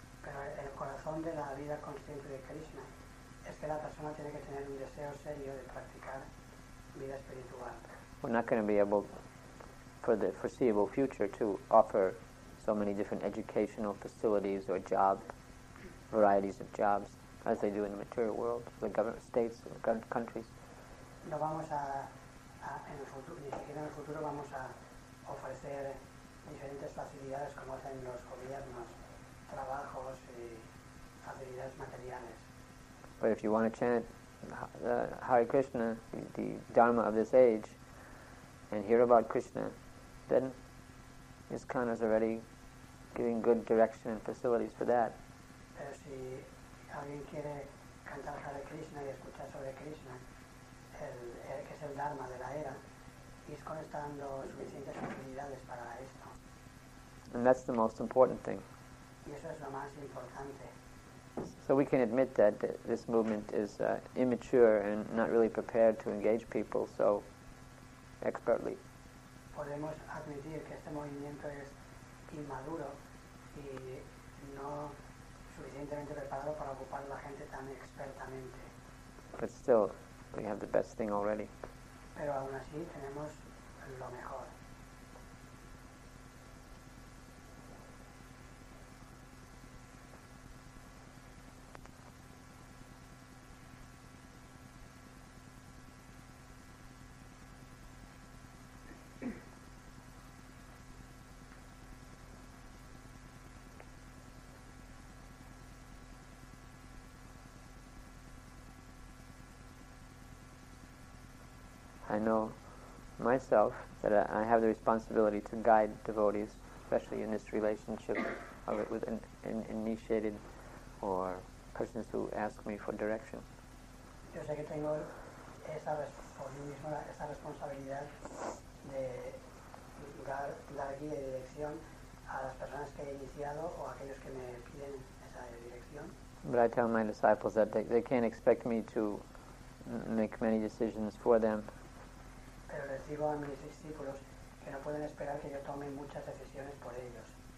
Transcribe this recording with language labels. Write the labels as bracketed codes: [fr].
[es] Pero el corazón de la vida consciente de Krishna es que la persona tiene que tener un deseo serio de practicar vida espiritual. [en] We're not going to be able, for the foreseeable future, to offer so many different educational facilities or job, varieties of jobs, as they do in the material world, the government states, the government countries. [es] No vamos a en el futuro, ni siquiera en el futuro vamos a ofrecer diferentes facilidades como hacen los gobiernos, trabajos y facilidades materiales. [en] But if you want to chant the Hare Krishna, the Dharma of this age, and hear about Krishna, then ISKCON is already giving good direction and facilities for that. [es] Pero si alguien quiere cantar Hare Krishna y escuchar sobre Krishna, el que es el Dharma de la era, ISKCON está dando suficientes facilidades para esto. [en] And that's the most important thing. [es] Y eso es lo más importante. [en] So we can admit that this movement is immature and not really prepared to engage people so expertly. [es] Podemos admitir que este movimiento es inmaduro y no suficientemente preparado para ocupar a la gente tan expertamente. [en] But still, we have the best thing already. [es] Pero aún así tenemos lo mejor. [en] I know myself that I have the responsibility to guide devotees, especially in this relationship of it with an initiated or persons who ask me for direction. [es] Yo sé que tengo esa esa responsabilidad de dar guía y dirección a las personas que he iniciado o aquellos que me piden esa dirección. [en] But I tell my disciples that they can't expect me to make many decisions for them. [es] Pero les digo a mis discípulos que no pueden esperar que yo tome muchas decisiones por ellos.